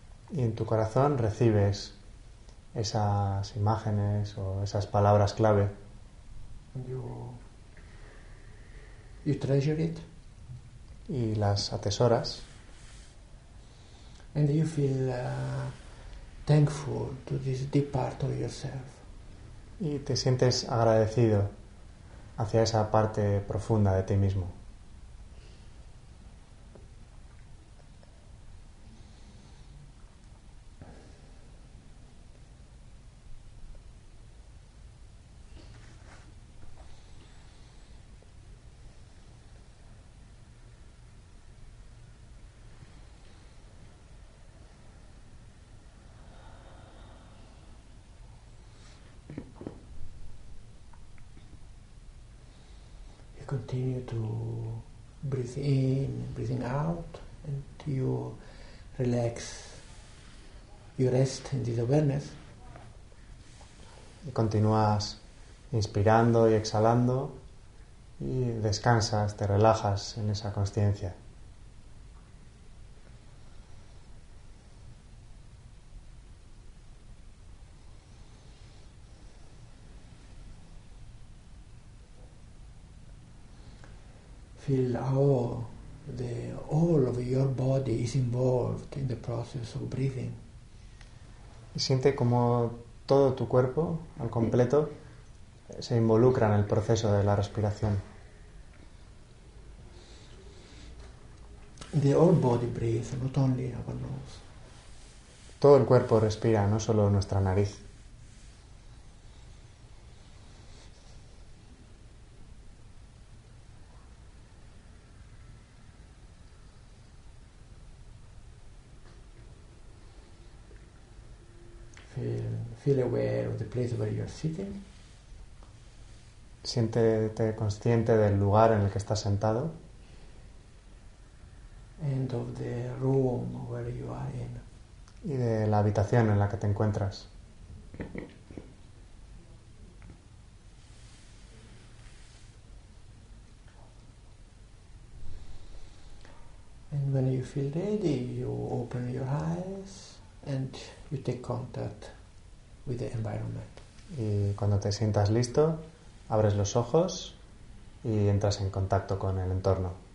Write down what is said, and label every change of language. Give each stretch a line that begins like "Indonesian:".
Spanish: Y en tu corazón recibes esas imágenes o esas palabras clave.
English: You treasure it.
Spanish: Y las atesoras.
English: And you feel thankful to this deep part of yourself.
Spanish: Y te sientes agradecido hacia esa parte profunda de ti mismo.
English: Continue to breathe in, breathing out, and you relax, you rest in this awareness.
Spanish: Y continúas inspirando y exhalando, y descansas, te relajas en esa consciencia.
English: Feel how the all of your body is involved in the process of breathing.
Spanish: Siente como todo tu cuerpo al completo se involucra en el proceso de la respiración.
English: The whole body breathes, not only our nose.
Spanish: Todo el cuerpo respira, no solo nuestra nariz.
English: Feel aware of the place where you're sitting.
Spanish: Siéntete consciente del lugar en el que estás sentado.
English: And of the room where you are in.
Spanish: Y de la habitación en la que te encuentras.
English: And when you feel ready, you open your eyes and you take contact with the environment.
Spanish: Y cuando te sientas listo, abres los ojos y entras en contacto con el entorno.